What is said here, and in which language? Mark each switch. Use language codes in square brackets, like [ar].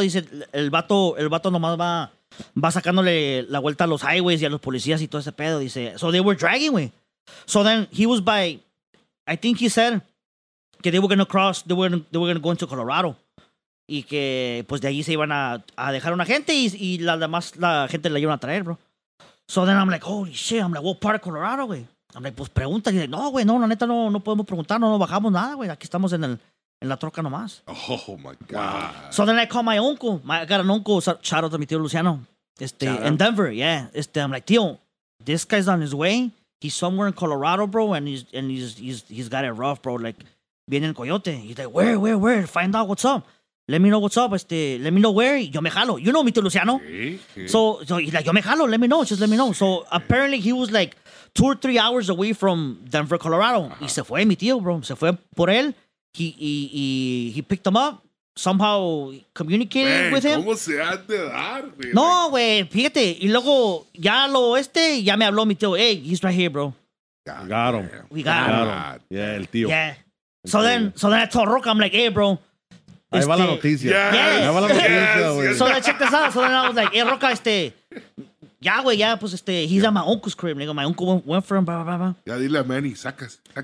[es] Dice, el vato nomás va sacándole la vuelta a los highways y a los policías y todo ese pedo. [en] Dice, so they were dragging, güey. So then he was by, I think he said, que they were going to cross, they were going to go into Colorado. [es] Y que, pues, de allí se iban a dejar una gente y la demás, la gente la iban a traer, bro. [en] So then I'm like, holy shit, I'm like, what part of Colorado, güey? [es] I'm like, pues, pregunta. Y dice, no, güey, no, la neta, no podemos preguntar, no bajamos nada, güey. Aquí estamos en la troca nomás. [en] Oh, my God. So then I call my uncle. I got an uncle, shout out to mi tío Luciano. In Denver, yeah. I'm like, tío, this guy's on his way. He's somewhere in Colorado, bro, and he's got it rough, bro. Like, viene el Coyote. He's like, where? Find out what's up. Let me know what's up. Let me know where. Yo me jalo. You know me, too, Luciano. Okay. So he's like, yo me jalo. Let me know. Just let me know. So apparently he was like 2 or 3 hours away from Denver, Colorado. Uh-huh. [es] Y se fue mi tío, bro. Se fue por él. He picked him up. [en] Somehow communicated, man, with him. [es] ¿Cómo se ha de dar, güey? No, güey, fíjate. Y luego ya lo ya me habló mi tío. [en] Hey, he's right here, bro. Got him. We got him. Yeah, el tío. Yeah. So then I told Roca, I'm like, hey, bro. [es] Ahí va la noticia. [en] Yes. So then I checked this out. So then I was like, hey, Roca, ya, güey, ya, pues, he's at my uncle's crib. Nigga. My uncle went for him, blah, blah, blah, blah. [es] Ya, dile a Manny, sacas.